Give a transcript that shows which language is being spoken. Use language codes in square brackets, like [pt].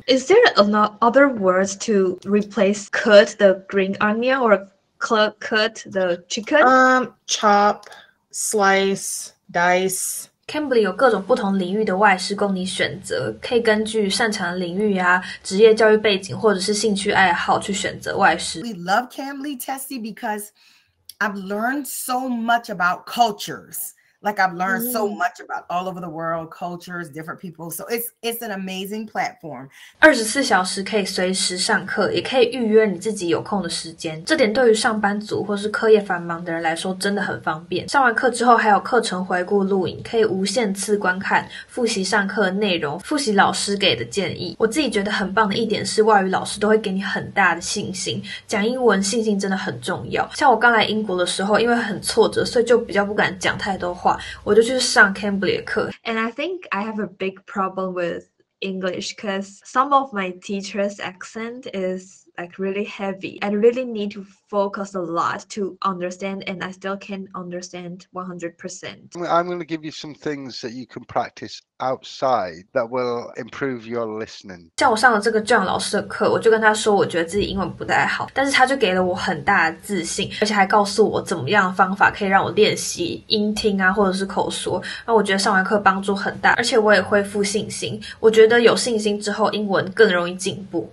[en] Is there another words to replace cut the green onion or cut the chicken? Chop, slice, dice. [zh] Cambly 有各种不同领域的外师供你选择，可以根据擅长的领域啊、职业教育背景或者是兴趣爱好去选择外师。 [en] We love Cambly Testy because I've learned so much about cultures. Like I've learned so much about all over the world cultures, different people. So it's an amazing platform. [zh] 24小时可以随时上课，也可以预约你自己有空的时间。这点对于上班族或是课业繁忙的人来说真的很方便。上完课之后还有课程回顾录影，可以无限次观看复习上课的内容，复习老师给的建议。我自己觉得很棒的一点是外语老师都会给你很大的信心，讲英文信心真的很重要。像我刚来英国的时候，因为很挫折，所以就比较不敢讲太多话，我就去上 Cambly 的课。 [en] And I think I have a big problem with English because some of my teacher's accent is like really heavy. I really need to focus a lot to understand and I still can't understand 100%. I'm going to give you some things that you can practice outside that will improve your listening. [zh] 像我上了这个 John 老师的课，我就跟他说我觉得自己英文不太好，但是他就给了我很大的自信，而且还告诉我怎么样的方法可以让我练习音听啊，或者是口说。那我觉得上完课帮助很大，而且我也恢复信心。我觉得有信心之后英文更容易进步。